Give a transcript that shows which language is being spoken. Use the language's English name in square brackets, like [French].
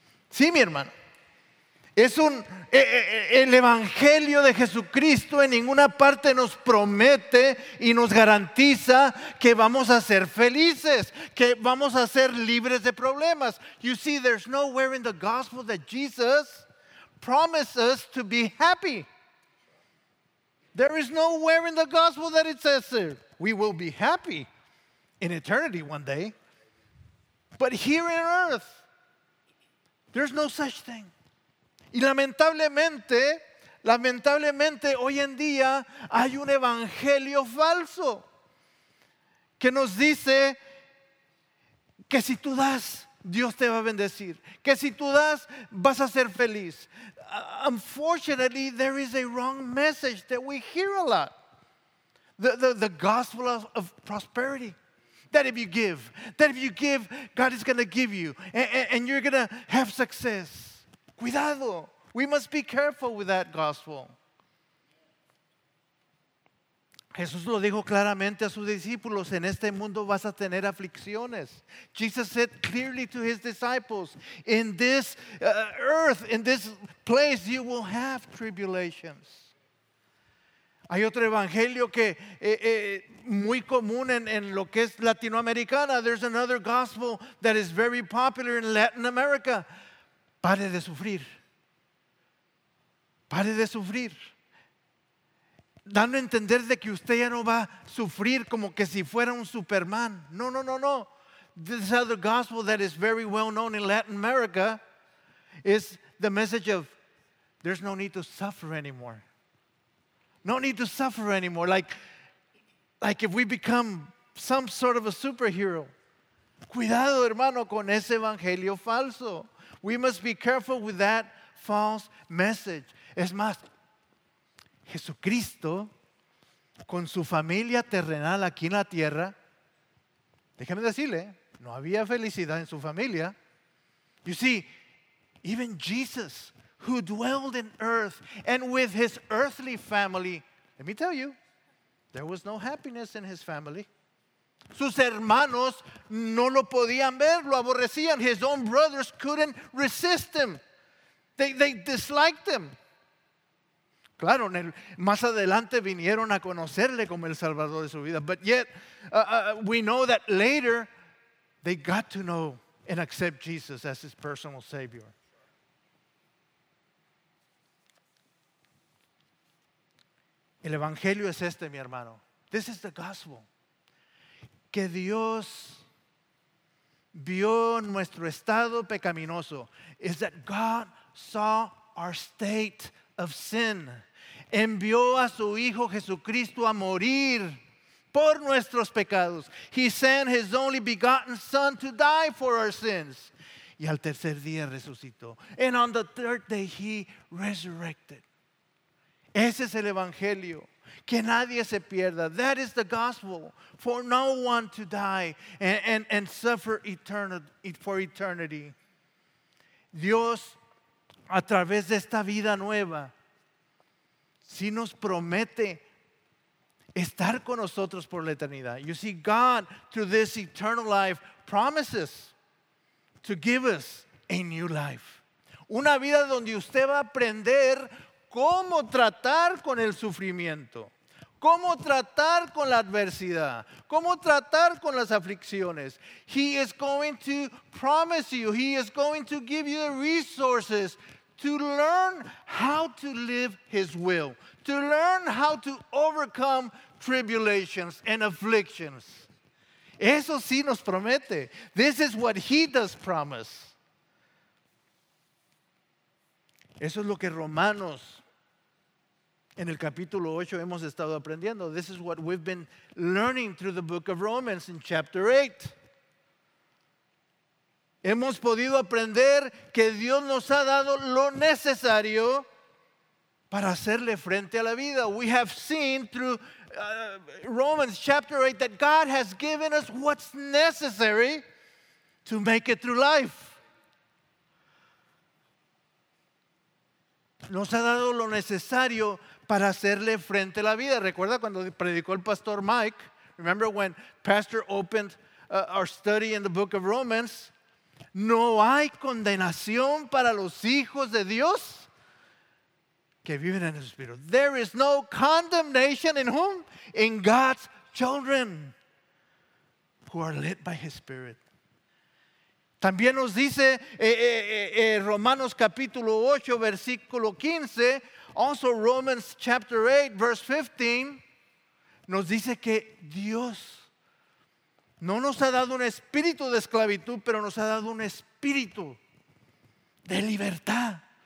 [Spanish] Sí, mi hermano. Es un el evangelio de Jesucristo en ninguna parte nos promete y nos garantiza que vamos a ser felices, que vamos a ser libres de problemas. [English] You see, there's nowhere in the gospel that Jesus promises to be happy. There is nowhere in the gospel that it says we will be happy in eternity one day. But here in earth, there's no such thing. [Spanish] Y lamentablemente, lamentablemente hoy en día hay un evangelio falso que nos dice que si tú das, Dios te va a bendecir. Que si tú das, vas a ser feliz. [English] Unfortunately, there is a wrong message that we hear a lot. The gospel of prosperity. That if you give, God is going to give you. And you're going to have success. [Spanish] Cuidado. [English] We must be careful with that gospel. [Spanish] Jesús lo dijo claramente a sus discípulos, en este mundo vas a tener aflicciones. [English] Jesus said clearly to his disciples, in this earth, in this place, you will have tribulations. [Spanish] Hay otro evangelio que muy común en lo que es Latinoamericana. [English] There's another gospel that is very popular in Latin America. [Spanish] Pare de sufrir. Pare de sufrir. Dando a entender de que usted ya no va a sufrir como que si fuera un Superman. No, no, no, no. [English] This other gospel that is very well known in Latin America is the message of there's no need to suffer anymore. No need to suffer anymore. Like if we become some sort of a superhero. [Spanish] Cuidado, hermano, con ese evangelio falso. [English] We must be careful with that false message. [Spanish] Es más, Jesucristo, con su familia terrenal aquí en la tierra, déjeme decirle, no había felicidad en su familia. [English] You see, even Jesus, who dwelled in earth and with his earthly family, let me tell you, There was no happiness in his family. [Spanish] Sus hermanos no lo podían ver, lo aborrecían. [English] His own brothers couldn't resist him. They disliked him. [Spanish] Claro, más adelante vinieron a conocerle como el Salvador de su vida. [English] But yet, we know that later, they got to know and accept Jesus as his personal Savior. [Spanish] El Evangelio es este, mi hermano. [English] This is the gospel. [Spanish] Que Dios vio nuestro estado pecaminoso. [English] Is that God saw our state of sin. [Spanish] Envió a su Hijo Jesucristo a morir por nuestros pecados. [English] He sent his only begotten Son to die for our sins. [Spanish] Y al tercer día resucitó. [English] And on the third day he resurrected. [Spanish] Ese es el Evangelio. Que nadie se pierda. [English] That is the gospel. For no one to die and suffer for eternity. [Spanish] Dios, a través de esta vida nueva, si nos promete estar con nosotros por la eternidad. [English] You see, God, through this eternal life, promises to give us a new life. [Spanish] Una vida donde usted va a aprender cómo tratar con el sufrimiento, cómo tratar con la adversidad, cómo tratar con las aflicciones. [English] He is going to promise you, he is going to give you the resources to learn how to live his will, to learn how to overcome tribulations and afflictions. [Spanish] Eso sí nos promete. [English] This is what he does promise. [Spanish] Eso es lo que Romanos, en el capítulo 8, hemos estado aprendiendo. [English] This is what we've been learning through the book of Romans in chapter 8. [Spanish] Hemos podido aprender que Dios nos ha dado lo necesario para hacerle frente a la vida. [English] We have seen through Romans chapter 8 that God has given us what's necessary to make it through life. [Spanish] Nos ha dado lo necesario para hacerle frente a la vida. Recuerda cuando predicó el pastor Mike. [English] Remember when pastor opened our study in the book of Romans. [Spanish] No hay condenación para los hijos de Dios que viven en el Espíritu. [English] There is no condemnation in whom? In God's children who are led by his Spirit. [Spanish] También nos dice Romanos capítulo 8, versículo 15. [English] Also Romans chapter 8, verse 15. [Spanish] Nos dice que Dios no nos ha dado un espíritu de esclavitud, pero nos ha dado un espíritu de libertad.